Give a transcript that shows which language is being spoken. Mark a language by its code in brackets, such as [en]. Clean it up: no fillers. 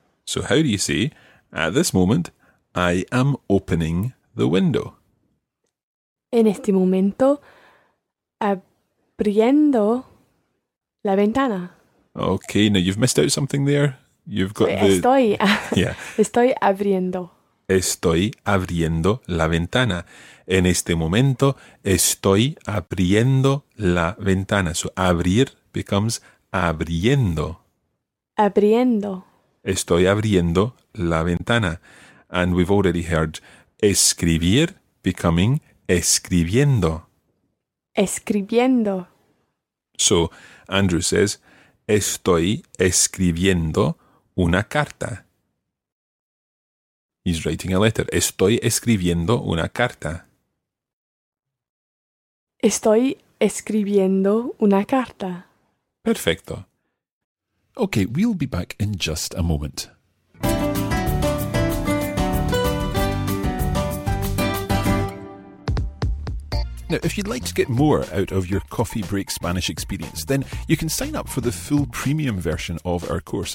[en] So how do you say, at this moment, I am opening the window? [es] En este momento, abriendo la ventana. [en] Okay, now you've missed out something there. You've got [es] Estoy abriendo. Estoy abriendo la ventana. En este momento, estoy abriendo la ventana. [en] So, abrir becomes abriendo. [es] Abriendo. Estoy abriendo la ventana. [en] And we've already heard escribir becoming escribiendo. [es] Escribiendo. [en] So, Andrew says, [es] estoy escribiendo una carta. [en] He's writing a letter. [es] Estoy escribiendo una carta. Estoy escribiendo una carta. Perfecto. [en] Okay, we'll be back in just a moment. Now, if you'd like to get more out of your Coffee Break Spanish experience, then you can sign up for the full premium version of our course.